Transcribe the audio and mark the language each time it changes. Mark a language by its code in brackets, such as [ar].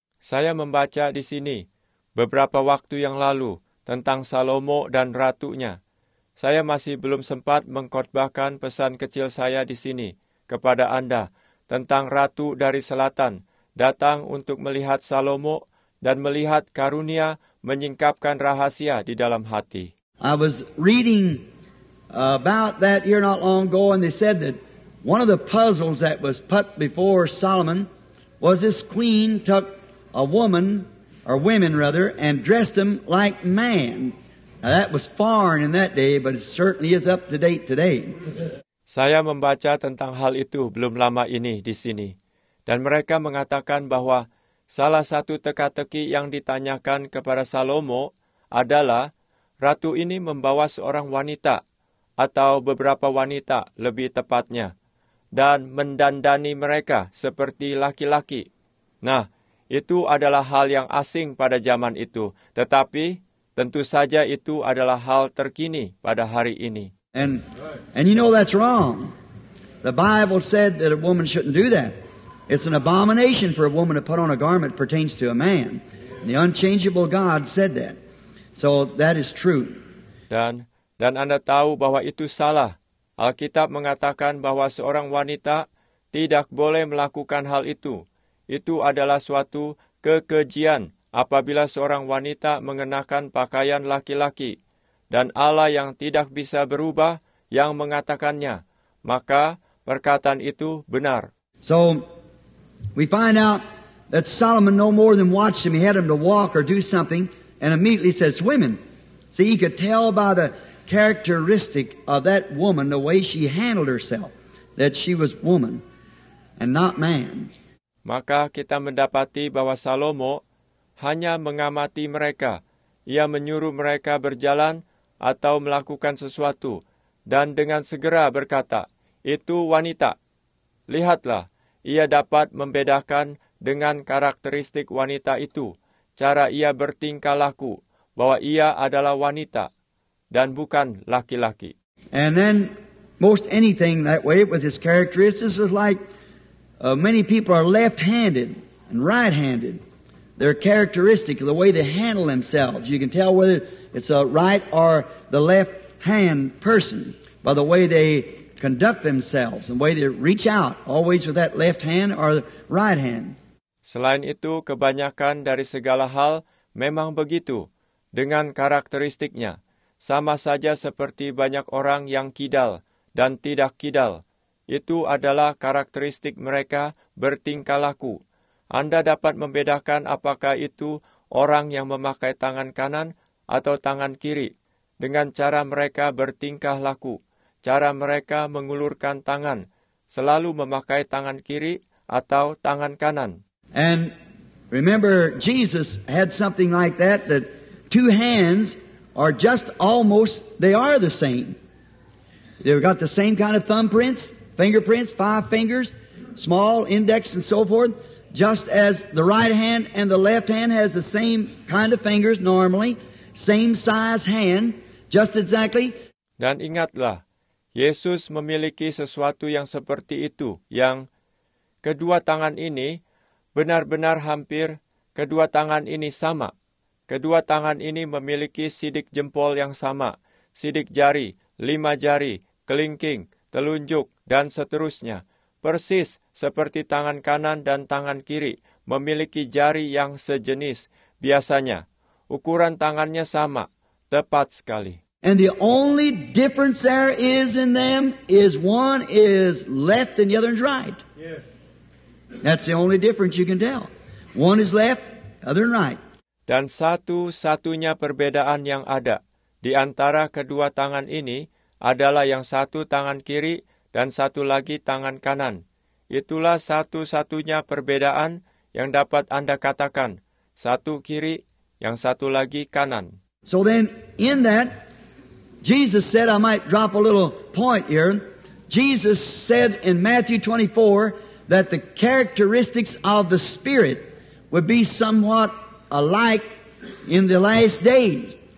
[id] Saya membaca di sini beberapa waktu yang lalu tentang Salomo dan ratunya. Saya masih belum sempat mengkhotbahkan pesan kecil saya di sini kepada Anda tentang ratu dari selatan datang untuk melihat Salomo dan melihat karunia menyingkapkan rahasia di dalam hati. [en] I was reading about that here not long ago, and they said that one of the puzzles that was put before Solomon was this queen took a woman, or women rather, and dressed them like man. Now that was foreign in that day, but it certainly is up to date today. [id] Saya membaca tentang hal itu belum lama ini di sini, dan mereka mengatakan bahwa salah satu teka-teki yang ditanyakan kepada Salomo adalah ratu ini membawa seorang wanita atau beberapa wanita lebih tepatnya dan mendandani mereka seperti laki-laki. Nah, itu adalah hal yang asing pada zaman itu, tetapi tentu saja itu adalah hal terkini pada hari ini. [en] And you know that's wrong. The Bible said that a woman shouldn't do that. It's an abomination for a woman to put on a garment that pertains to a man. The unchangeable God said that. So that is true. [id] Dan Anda tahu bahwa itu salah. Alkitab mengatakan bahwa seorang wanita tidak boleh melakukan hal itu. Itu adalah suatu kekejian apabila seorang wanita mengenakan pakaian laki-laki. Dan Allah yang tidak bisa berubah yang mengatakannya. Maka perkataan itu benar. [en] So, we find out that Solomon no more than watched him. He had him to walk or do something and immediately says, women. See, he could tell by the characteristic of that woman, the way she handled herself, that she was woman and not man. [id] Maka kita mendapati bahwa Salomo hanya mengamati mereka. Ia menyuruh mereka berjalan atau melakukan sesuatu dan dengan segera berkata, itu wanita. Lihatlah. Ia dapat membedakan dengan karakteristik wanita itu, cara ia bertingkah laku, bahwa ia adalah wanita dan bukan laki-laki. [en] And then most anything that way with his characteristics is like many people are left-handed and right-handed. Their characteristic, the way they handle themselves, you can tell whether it's a right or the left-hand person by the way they conduct themselves, the way they reach out, always with that left hand or the right hand. [id] Selain itu, kebanyakan dari segala hal memang begitu, dengan karakteristiknya. Sama saja seperti banyak orang yang kidal dan tidak kidal. Itu adalah karakteristik mereka bertingkah laku. Anda dapat membedakan apakah itu orang yang memakai tangan kanan atau tangan kiri, dengan cara mereka bertingkah laku. Cara mereka mengulurkan tangan, selalu memakai tangan kiri atau tangan kanan. [en] And remember, Jesus had something like that, that two hands are just almost, they are the same. They've got the same kind of thumbprints, fingerprints, five fingers, small index and so forth, just as the right hand and the left hand has the same kind of fingers normally, same size hand, just exactly. [id] Dan ingatlah, Yesus memiliki sesuatu yang seperti itu, yang kedua tangan ini benar-benar hampir kedua tangan ini sama. Kedua tangan ini memiliki sidik jempol yang sama, sidik jari, lima jari, kelingking, telunjuk, dan seterusnya. Persis seperti tangan kanan dan tangan kiri memiliki jari yang sejenis biasanya. Ukuran tangannya sama, tepat sekali. [en] And the only difference there is in them is one is left and the other is right. Yes. That's the only difference you can tell. One is left, other is right. [id] Dan satu-satunya perbedaan yang ada di antara kedua tangan ini adalah yang satu tangan kiri dan satu lagi tangan kanan. Itulah satu-satunya perbedaan yang dapat Anda katakan. Satu kiri, yang satu lagi kanan. [en] So then, in that, Jesus said, I might drop a little point here. Jesus said in Matthew 24 that the characteristics of the Spirit would be somewhat alike in the last days.